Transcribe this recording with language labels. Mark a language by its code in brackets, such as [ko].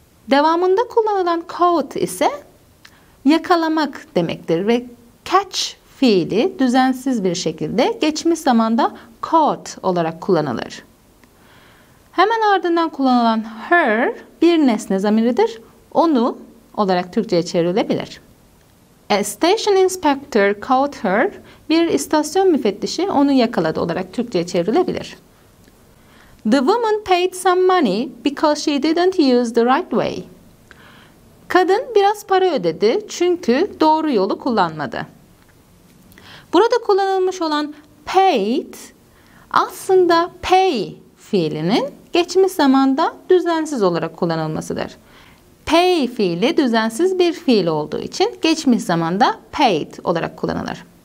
[tr] Devamında kullanılan caught ise yakalamak demektir ve catch fiili düzensiz bir şekilde geçmiş zamanda caught olarak kullanılır. Hemen ardından kullanılan her bir nesne zamiridir. Onu olarak Türkçe'ye çevrilebilir. [en] A station inspector caught her. [tr] Bir istasyon müfettişi onu yakaladı olarak Türkçe'ye çevrilebilir. [en] The woman paid some money because she didn't use the right way. [tr] Kadın biraz para ödedi çünkü doğru yolu kullanmadı. Burada kullanılmış olan paid aslında pay fiilinin geçmiş zamanda düzensiz olarak kullanılmasıdır. Pay fiili düzensiz bir fiil olduğu için geçmiş zamanda paid olarak kullanılır.